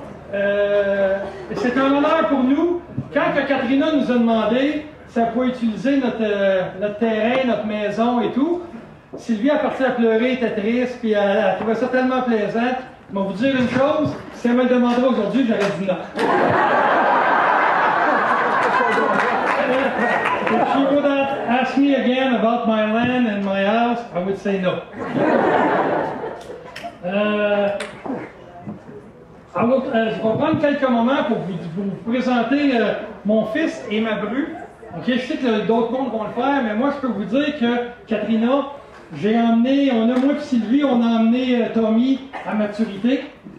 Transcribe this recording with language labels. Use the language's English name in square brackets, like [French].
[French] C'est un honneur pour nous. Quand Katryna nous a demandé si elle pouvait utiliser notre terrain, notre maison et tout, Sylvie a parti à pleurer, était triste, puis elle trouvait ça tellement plaisant. Mais vous dire une chose, si elle me le demandait aujourd'hui, j'aurais dit non. [English] If she would ask me again about my land and my house, I would say no. [French] Je vais prendre quelques moments pour vous présenter mon fils et ma bru. Okay, je sais que d'autres mondes vont le faire, mais moi je peux vous dire que Katryna, j'ai emmené, moi et Sylvie, on a emmené Tommy à maturité.